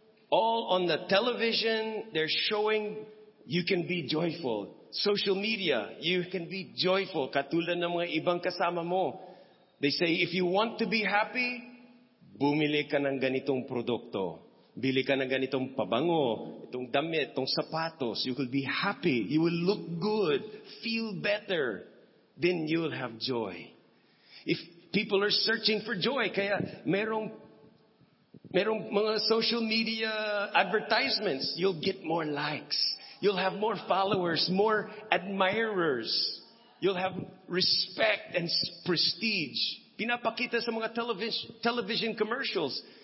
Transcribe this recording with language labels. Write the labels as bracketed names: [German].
[English] All on the television, they're showing you can be joyful. Social media, you can be joyful. [Filipino] Katulad ng mga ibang kasama mo. [English] They say, if you want to be happy, [Filipino] bumili ka ng ganitong produkto. Bili ka ng ganitong pabango, itong damit, itong sapatos. [English] You will be happy. You will look good. Feel better. Then you will have joy. If people are searching for joy, [Filipino] kaya merong mga [English] social media advertisements, you'll get more likes. You'll have more followers, more admirers. You'll have respect and prestige. [Filipino] Pinapakita sa mga television commercials.